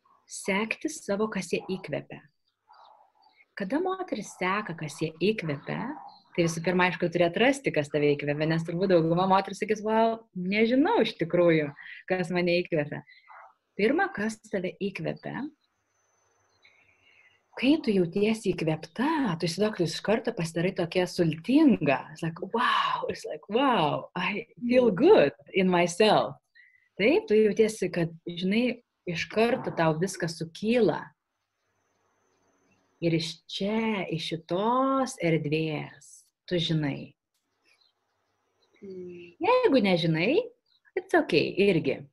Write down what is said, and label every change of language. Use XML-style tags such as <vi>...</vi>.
<lt>Sekti savo, kas jie įkvepia. Kada moteris seka, kas jie įkvepia, tai visų pirma, aišku, turi atrasti, kas tave įkvepia, nes turbūt dauguma moteris sakys, nežinau iš tikrųjų, kas mane įkvepia. Pirma, kas tave įkvepia, kai tu jautiesi įkvėpta, tu įsidoklius iš karto pasidarai tokia sultinga.</lt> <en>It's like, wow, I feel good in myself.</en> <lt>Taip, tu jautiesi, kad, žinai, iš karto tau viskas sukyla. Ir iš čia, iš šitos erdvės, tu žinai. Jeigu nežinai,</lt> <en>it's okay,</en> <lt>irgi.</lt>